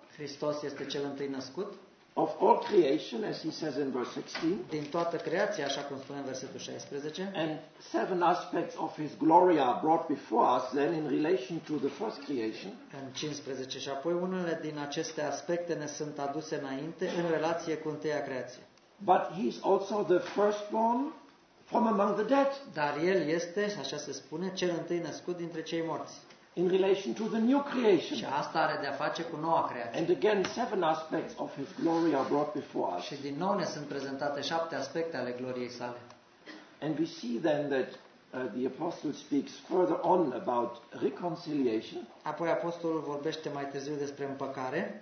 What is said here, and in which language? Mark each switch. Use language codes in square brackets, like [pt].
[ro] Hristos este cel întâi născut. [en] Of all creation, as he says in verse 16. [ro] Din toată creația, așa cum spune în versetul 16. [en] And seven aspects of his glory are brought before us then in relation to the first creation. [ro] În 15. Și apoi unele din aceste aspecte ne sunt aduse înainte în relație cu întâia creație. [en] But he is also the firstborn from among the dead. [ro] Dar el este, așa se spune, cel întâi născut dintre cei morți. [en] In relation to the new creation. [ro] Și asta are de a face cu noua creație. [en] And again, seven aspects of his glory are brought before us. [ro] Și din nou ne sunt prezentate șapte aspecte ale gloriei sale. [en] And we see then that the apostle speaks further on about reconciliation. [ro] Apoi apostolul vorbește mai târziu despre împăcare.